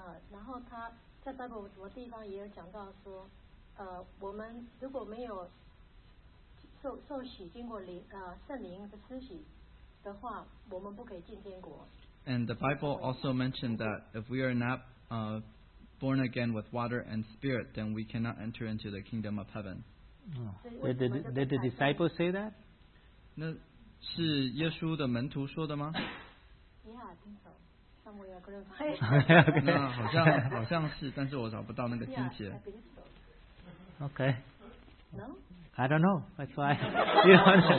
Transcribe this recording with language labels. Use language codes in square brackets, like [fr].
[zh] 然后他在 Bible 什么地方也有讲到说，我们如果没有受洗经过圣灵的施洗的话，我们不可以进天国。 [en] And the Bible also mentioned that if we are not born again with water and spirit, then we cannot enter into the kingdom of heaven. Did the disciples say that? [zh] 那是耶稣的门徒说的吗？ [en] Yeah, I think so. Somewhere you're going to find it. [zh] 那好像是，但是我找不到那个经节。 [en] Yeah, I think so. Okay. No? I don't know. That's why. You know,